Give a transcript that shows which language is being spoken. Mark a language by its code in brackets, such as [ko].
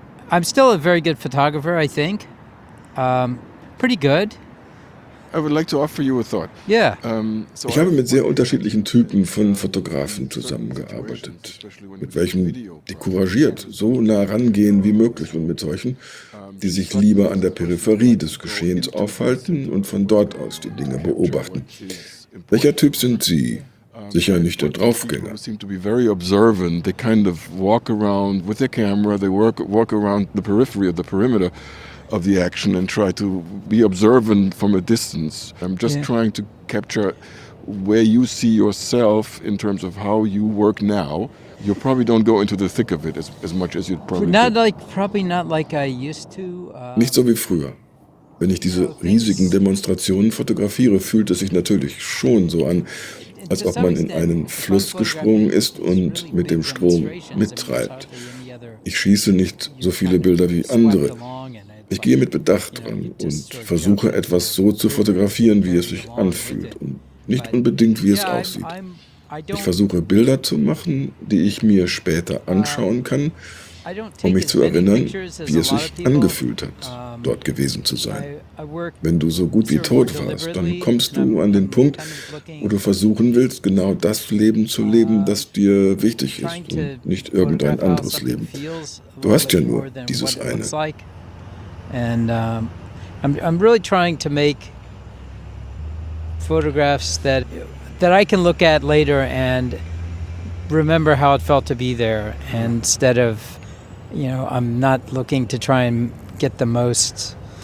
[en] I'm still a very good photographer, I think. Pretty good. I would like to offer you a thought. Yeah. [de] Ich habe mit sehr unterschiedlichen Typen von Fotografen zusammengearbeitet, mit welchen, die couragiert so nah rangehen wie möglich und mit solchen, die sich lieber an der Peripherie des Geschehens aufhalten und von dort aus die Dinge beobachten. Welcher Typ sind Sie? Sicher nicht der Draufgänger. [en] Seem to be very observant. They kind of walk around with their camera. They walk around the periphery of the perimeter of the action and try to be observant from a distance. I'm just trying to capture where you see yourself in terms of how you work now. You probably don't go into the thick of it as much as you'd probably not do. Like probably not like I used to. [de] Nicht so wie früher. Wenn ich diese riesigen Demonstrationen fotografiere, fühlt es sich natürlich schon so an, als ob man in einen Fluss gesprungen ist und mit dem Strom mittreibt. Ich schieße nicht so viele Bilder wie andere. Ich gehe mit Bedacht ran und versuche, etwas so zu fotografieren, wie es sich anfühlt und nicht unbedingt, wie es aussieht. Ich versuche, Bilder zu machen, die ich mir später anschauen kann, um mich zu erinnern, wie es sich angefühlt hat, dort gewesen zu sein. Wenn du so gut wie tot warst, dann kommst du an den Punkt, wo du versuchen willst, genau das Leben zu leben, das dir wichtig ist und nicht irgendein anderes Leben. Du hast ja nur dieses eine. [en] And I'm really trying to make photographs that I can look at later and remember how it felt to be there, instead of, you know, I'm not looking to try and get the most,